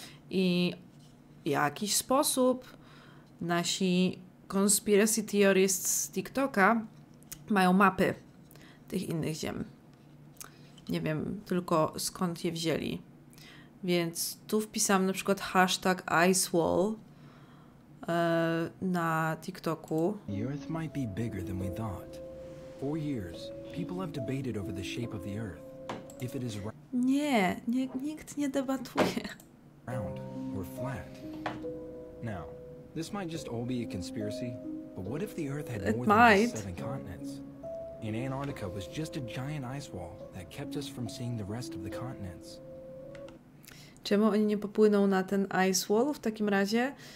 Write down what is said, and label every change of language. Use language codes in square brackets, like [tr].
[pl] I w jakiś sposób nasi [en] conspiracy theorists [pl] z TikToka mają mapy tych innych ziem. Nie wiem tylko skąd je wzięli. Więc tu wpisałam na przykład hashtag IceWall na TikToku. [en] The Earth might be bigger than we thought. 4 years. People have debated over the shape of the Earth. If it is round. [pl] Nie, nikt nie debatuje. [en] Round or flat. Now, this might just all be a conspiracy, but what if the Earth had more than 7 continents? In Antarctica was just a giant ice wall that kept us from seeing the rest of the continents. [pl] Czemu oni nie popłyną na ten ice wall w takim razie?